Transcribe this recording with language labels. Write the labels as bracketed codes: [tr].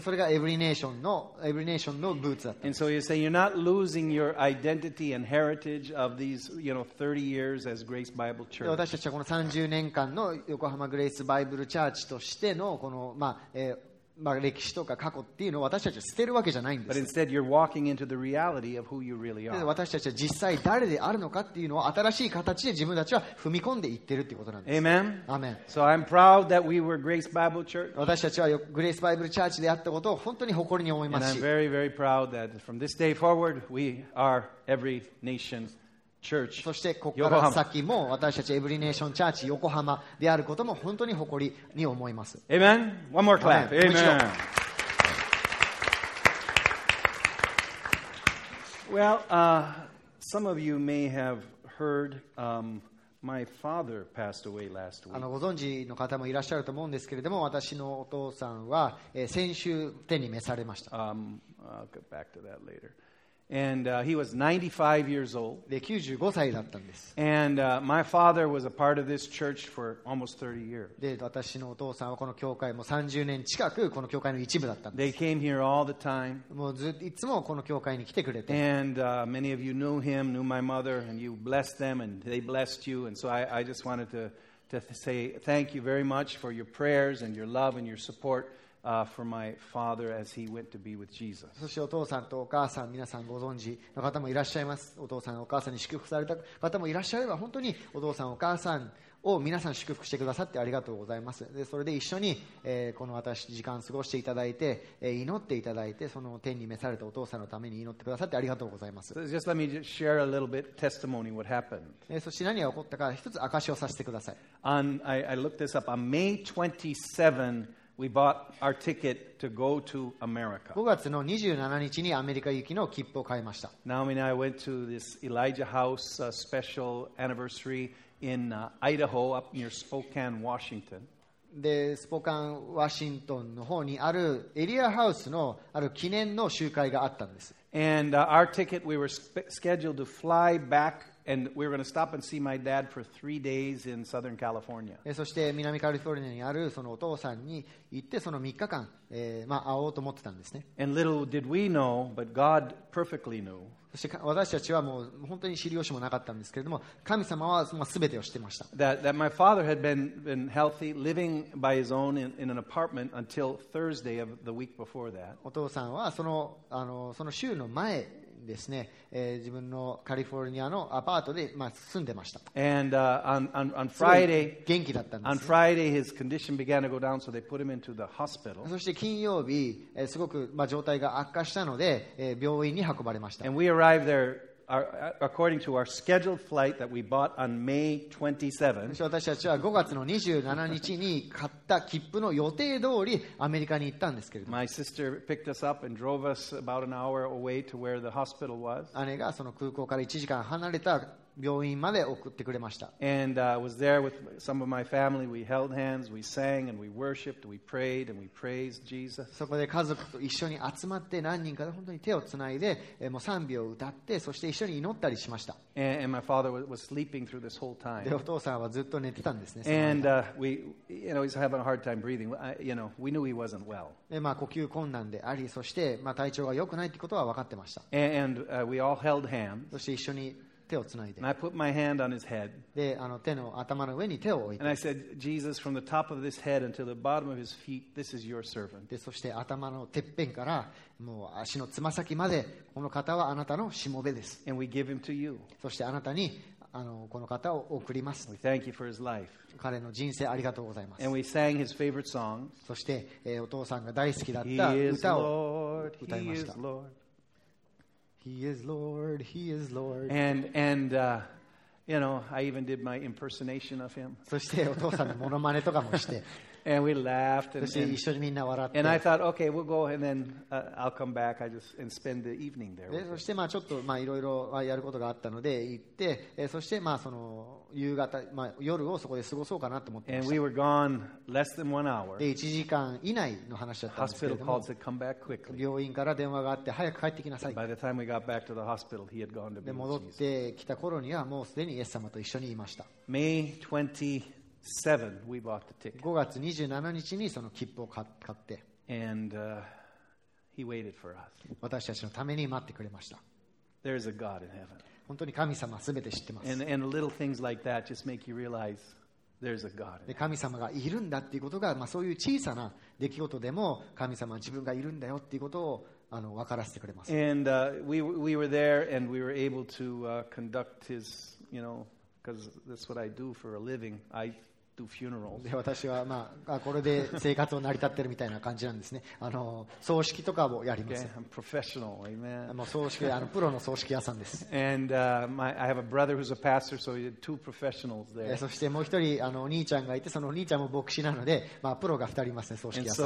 [ja] それがEvery Nation のブーツだったんです。 [en] And so you're saying you're not losing your identity and heritage of these, you know, 30 years as Grace Bible Church. [ja] 私たちはこの30年間の横浜グレイスバイブルチャーチとしてのこのまあ、まあ、歴史とか過去っていうのを私たちは捨てるわけじゃないんです。 [en] But instead, you're walking into the reality of who you really are. [ja] 私たちは実際誰であるのかっていうのを新しい形で自分たちは踏み込んでいってるっていうことなんです。 [en] Amen. Amen. So I'm proud that we were Grace Bible Church. [ja] 私たちはグレイスバイブルチャーチであったことを本当に誇りに思いますし。 [en] And I'm very, very proud that from this day forward, we are Every Nation Church. [ja] そしてここから先も私たちEvery Nation Church Yokohamaであることも本当に誇りに思います。 [en] Amen. One more clap. Amen. Well, some of you may have heard, my father passed away last week. [ja] ご存知の方もいらっしゃると思うんですけれども、私のお父さんは先週天に召されました。 [en] I'll get back to that later. And he was 95 years old. [ja] で、95歳だったんです。 [en] And my father was a part of this church for almost 30 years. [ja] で、私のお父さんはこの教会も30年近くこの教会の一部だったんです。 [en] They came here all the time. [ja] もうずっといつもこの教会に来てくれて。 [en] And many of you knew him, knew my mother, and you blessed them, and they blessed you. And so I just wanted to say thank you very much for your prayers and your love and your support. For my father as he went to be with Jesus. [ja] そしてお父さんとお母さん、皆さんご存知の方もいらっしゃいます。お父さん、お母さんに祝福された方もいらっしゃれば、本当にお父さん、お母さんを皆さん祝福してくださってありがとうございます。でそれで一緒に、この私時間過ごしていただいて、祈っていただいて、その天に召されたお父さんのために祈ってくださってありがとうございます。 [en] So、just let me just share a little bit testimony what happened. [ja] そして何が起こったか一つ証をさせてください。 [en] I looked this up. On May 27, we bought our ticket to go to America. [ja] 5月の27日にアメリカ行きの切符を買いました。 [en] Naomi and I went to this Elijah House special anniversary. In Idaho, up near Spokane, Washington. [ja] で、スポカン、ワシントンの方にあるエリアハウスのある記念の集会があったんです。 [en] And our ticket, we were scheduled to fly back, and we were going to stop and see my dad for 3 days in Southern California. [ja] で、そして南カリフォルニアにあるそのお父さんに行ってその3日間、会おうと思ってたんですね。 [en] And little did we know, but God perfectly knew. [ja] そして私たちはもう本当に知り由もなかったんですけれども、神様は全てを知ってました。 [en] That my father had been healthy, living by his own in an apartment until Thursday of the week before that. [ja] お父さんはその週の前ですね、自分のカリフォルニアのアパートで住んでました。 [en] And on Friday, [ja] 元気だったんです。 [en] On Friday, his condition began to go down, so they put him into the hospital. [ja] そして金曜日、すごく状態が悪化したので、病院に運ばれました。 [en] And we arrived there according to our scheduled flight that we bought on May 27. [ja] 私たちは5月の27日に買った切符の予定通りアメリカに行ったんですけれども。 [en] My sister picked us up and drove us about an hour away to where the hospital was. [ja] 姉がその空港から1時間離れた病院まで送ってくれました。 [en] And was there with some of my family. We held hands, we sang, and we worshipped, we prayed, and we praised Jesus. [ja] そこで家族と一緒に集まって何人かで本当に手をつないで、もう賛美を歌って、そして一緒に祈ったりしました。 [en] And my father was sleeping through this whole time. [ja] で、お父さんはずっと寝てたんですね。 [en] And we, you know, he's having a hard time breathing. You know, we knew he wasn't well. [ja] で、呼吸困難であり、そして体調が良くないということは分かってました。 [en] And we all held hands. [ja] そして一緒に手をつないで、 [en] and I put my hand on his head. [ja] で、手の頭の上に手を置いて、 [en] and I said, Jesus, from the top of this head until the bottom of his feet, this is your servant. [ja] で、そして頭のてっぺんからもう足のつま先までこの方はあなたのしもべです。 [en] and we give him to you. [ja] そしてあなたにこの方を送ります。 [en] We thank you for his life. [ja] 彼の人生ありがとうございます。 [en] and we sang his favorite songs. [ja] そして、お父さんが大好きだった歌を歌いました。 [en] He is Lord. He is Lord. He is Lord. And you know, I even did my impersonation of him. [ja] そしてお父さんのモノマネとかもして。 [en] And we laughed. [ja] そして一緒にみんな笑って。 [en] And I thought, okay, we'll go and then I'll come back. I just and spend the evening there. [ja] そしてちょっといろいろやることがあったので行って、そしてその夕方夜をそこで過ごそうかなと思ってました。 [en] And we were gone less than one hour. [ja] で1時間以内の話だったんですけれども。 [en] Hospital called said, come back quickly. [ja] 病院から電話があって早く帰ってきなさい。 [en] By the time we got back to the hospital, he had gone to be with Jesus. [ja] で戻ってきた頃にはもうすでにイエス様と一緒にいました。 [en] May 20th. Seven, we bought the ticket. [ja] 5月27日にその切符を買って [en] And, he waited for us. [ja] 私たちのために待ってくれました。 [en] There is a God in heaven. [ja] 本当に神様は全て知ってます。 [en] And little things like that just make you realize there's a God in heaven. [ja] 神様がいるんだっていうことが、そういう小さな出来事でも神様は自分がいるんだよっていうことを分からせてくれます。 [en] And we were there and we were able to conduct his, you know,Because that's what I do for a living. I do funerals. [ja] で、私はこれで生活を成り立ってるみたいな感じなんですね。葬式とかをやります。 [en] Okay, I'm professional. Amen. [ja] もう葬式、プロの葬式屋さんです。 [en] And I have a brother who's a pastor, so we had two professionals there. [ja] そしてもう一人お兄ちゃんがいて、そのお兄ちゃんも牧師なので、プロが二人いますね、葬式屋さん。